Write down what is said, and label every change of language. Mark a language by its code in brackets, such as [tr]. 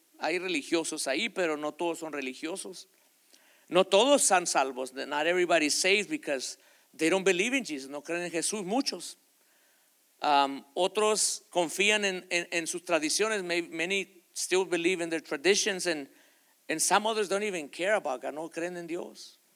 [es] Hay religiosos ahí, pero no todos son religiosos. No todos son salvos. [en] Not everybody is saved because they don't believe in Jesus. [es] No creen en Jesús, muchos. Otros confían en sus tradiciones. [en] Many still believe in their traditions, and some others don't even care about God. [es] No creen en Dios.